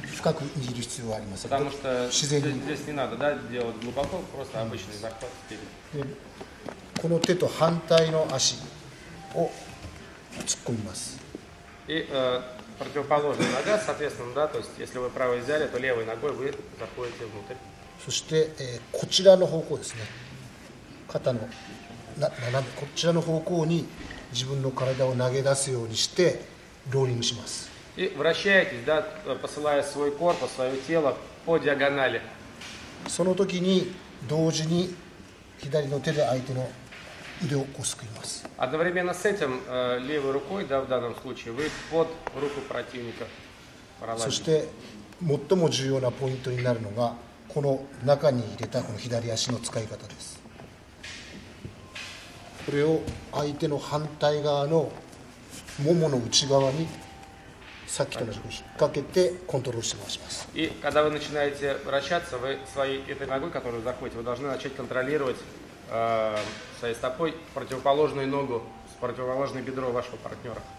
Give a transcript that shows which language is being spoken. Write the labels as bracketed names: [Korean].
[Russian] Потому что здесь не надо, да, делать глубоко, просто обычный захват спереди. И противоположная нога, соответственно, да, то есть если вы правой взяли, то левой ногой вы заходите внутрь. [Japanese] そして、こちらの方向ですね。肩の斜めこちらの方向に自分の体を投げ出すようにしてローリングします。 [Russian] И вращаетесь, да, посылая свой корпус, свое тело по диагонали. [Japanese] その時に同時に左の手で相手の腕をこすくいます。 [Russian] Одновременно с этим левой рукой, да, в данном случае вы под руку противника. [Japanese] そして最も重要なポイントになるのが。この中に入れたこの左足の使い方です。これを相手の反対側のももの内側にさっきと同じく引っ掛けてコントロールして回します。 [Russian] И когда вы начинаете вращаться, вы своей этой ногой, которую заходите, вы должны начать контролировать своей стопой противоположную ногу, противоположное бедро вашего партнера.